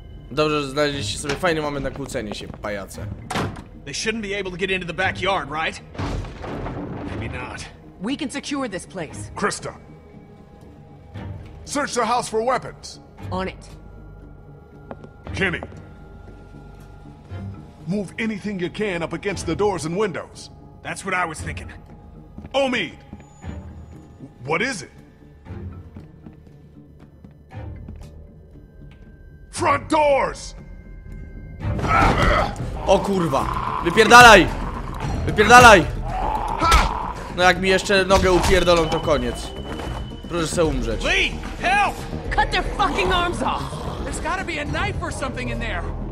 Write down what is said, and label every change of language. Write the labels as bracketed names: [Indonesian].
[Polish] Dobrze, że znaleźliście sobie fajny moment na kłócenie się, pajace. [English] They shouldn't be able to get into the backyard, right? Maybe not. We can secure this place. Krista! Search the house for weapons. On it. Kenny. Move anything you can up against the doors and windows. That's what I was thinking. Omid! What is it? Front doors! [Polish] O kurwa! Wypierdalaj! Wypierdalaj! No jak mi jeszcze nogę upierdolą, to koniec. Proszę sobie umrzeć. [English] Lee! Help! Cut their fucking arms off! There's gotta be a knife or something in there!